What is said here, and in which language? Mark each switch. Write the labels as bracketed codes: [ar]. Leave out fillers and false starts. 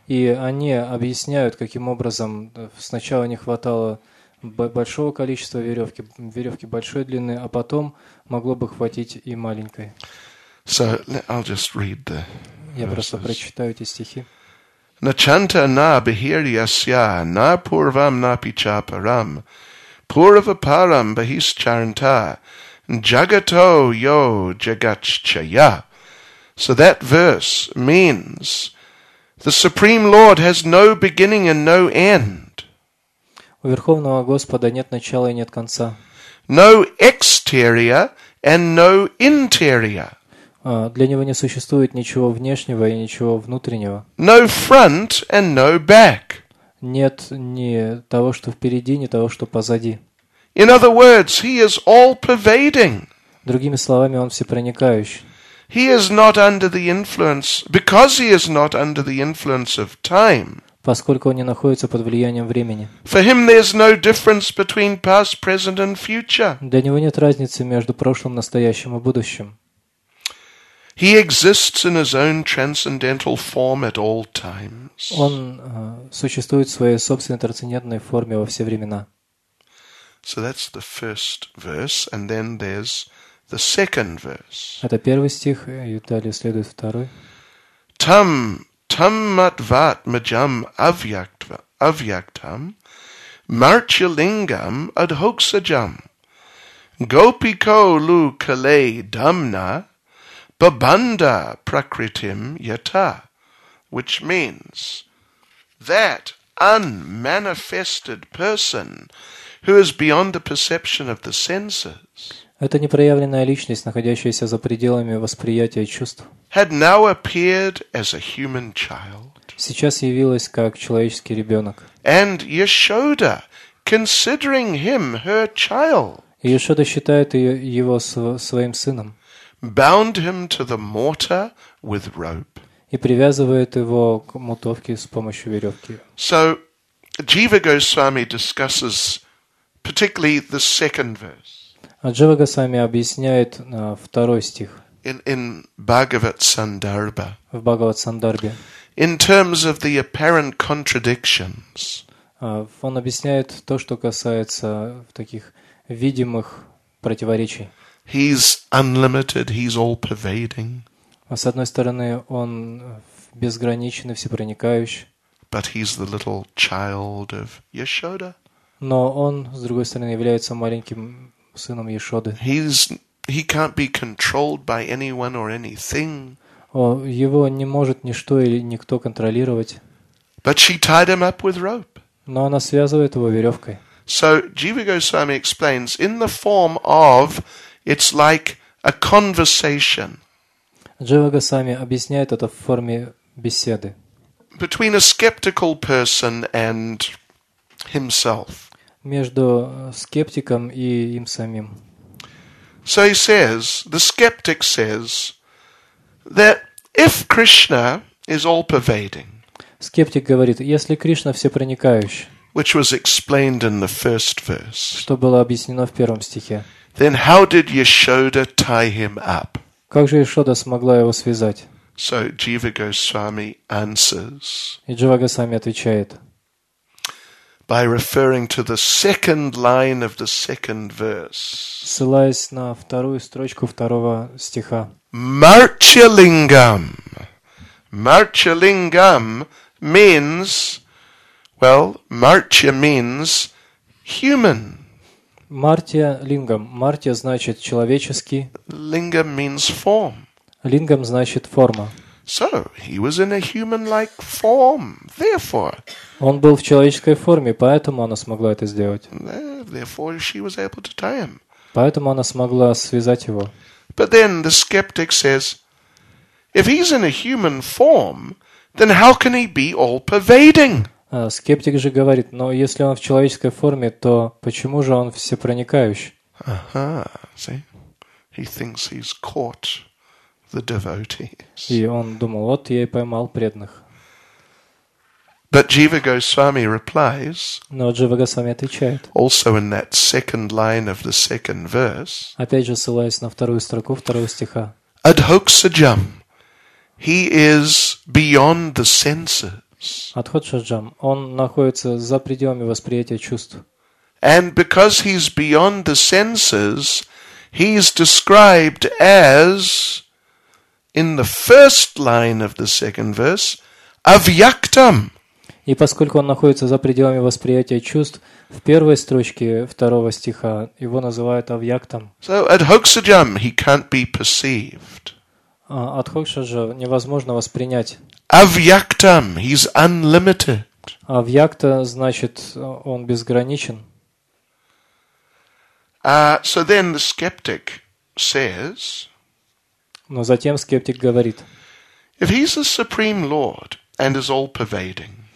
[ru] И они объясняют, каким образом сначала не хватало большого количества веревки, веревки большой длины, а потом могло бы хватить и маленькой. [en] So I'll just read the [ru] Я просто прочитаю эти стихи. [sa] Начанта на бхирьясья, на пурвам на пичапарам, пурвапарам бхисчарнта, джагато йо джагаччая. [en] So that verse means the Supreme Lord has no beginning and no end. [ru] У Верховного Господа нет начала и нет конца. [en] No exterior and no interior. [ru] Для него не существует ничего внешнего и ничего внутреннего. [en] No front and no back. [ru] Нет ни того, что впереди, ни того, что позади. [en] In other words, he is all-pervading. [ru] Другими словами, он всепроникающий. [en] He is not under the influence, because he is not under the influence of time. [ru] Поскольку он не находится под влиянием времени. [en] For him there is no difference between past, present and future. [ru] Для него нет разницы между прошлым, настоящим и будущим. [en] He exists in his own transcendental form at all times. [ru] Он существует в своей собственной трансцендентной форме во все времена. [en] So that's the first verse, and then there's the second verse. [ru] Это первый стих, и далее следует второй. [sa] Там, там матват маджам авьяктам, марчилингам адхоксаджам, гопико лу кале дамна, бабанда пракритим ята. [en] Which means that unmanifested person who is beyond the perception of the senses. [ru] Это непроявленная личность, находящаяся за пределами восприятия чувств. [en] Had now appeared as a human child. [ru] Сейчас явилась как человеческий ребенок. [en] And Yashoda, considering him her child. [ru] Yashoda считает его своим сыном. [en] Bound him to the mortar with rope. [ru] И привязывает его к мутовке с помощью веревки. [en] So, Jiva Goswami discusses particularly the second verse. [ru] Джива Госвами объясняет второй стих. [en] In Bhagavat Sandarbha. [ru] В Бхагават Сандарбе. [en] In terms of the apparent contradictions. [ru] Он объясняет то, что касается таких видимых противоречий. [en] He's unlimited, he's all-pervading. [ru] С одной стороны, он безграничен и всепроникающий. [en] But he's the little child of Yashoda. [ru] Но он, с другой стороны, является маленьким сыном Яшоды. [en] He can't be controlled by anyone or anything. [ru] Его не может ничто или никто контролировать. [en] But she tied him up with rope. [ru] Но она связывает его веревкой. [en] So Jiva Goswami explains in the form of it's like a conversation. [ru] Джива Госвами объясняет это в форме беседы. [en] Between a skeptical person and himself. [ru] Между скептиком и им самим. [en] So he says, the skeptic says that if Krishna is all-pervading, [ru] скептик говорит, если Кришна всепроникающий, [en] which was explained in the first verse, [ru] что было объяснено в первом стихе, [en] then how did Yashoda tie him up? [ru] Как же Яшода смогла его связать? [en] So Jiva Goswami answers. [ru] И Джива Госвами отвечает. [en] By referring to the second line of the second verse. [ru] Ссылаясь на вторую строчку второго стиха. [en] Marchalingam. Marchalingam means, well, marcha means human. [ru] Martya lingam. Martya значит человеческий. [en] Lingam means form. [ru] Lingam значит форма. [en] So, he was in a human-like form, therefore. [ru] Он был в человеческой форме, поэтому она смогла это сделать. [en] Therefore, she was able to tie him. [ru] Поэтому она смогла связать его. [en] But then the skeptic says, if he's in a human form, then how can he be all-pervading? [ru] Скептик же говорит, но если он в человеческой форме, то почему же он всепроникающий? [en] Ага, see? He thinks he's caught the devotees. [ru] И он думал, вот я и поймал преданных. [en] But Jiva Goswami replies, [ru] но Джива Госвами отвечает, [en] also in that second line of the second verse, [ru] опять же ссылаясь на вторую строку второго стиха, [en] Adhoksajam, he is beyond the senses. [ru] Adhoksajam, он находится за пределами восприятия чувств. [en] And because he's beyond the senses, he's described as, in the first line of the second verse, avyaktam. [ru] И поскольку он находится за пределами восприятия чувств, в первой строчке второго стиха его называют авьяктом. [en] So, adhoksajam, he can't be perceived. [ru] Adhoksaja невозможно воспринять. [en] Avyaktam, he's unlimited. [ru] Авьякта значит, он безграничен. [en] So then the skeptic says, [ru] но затем скептик говорит, [en] if he's the supreme lord and is all-pervading,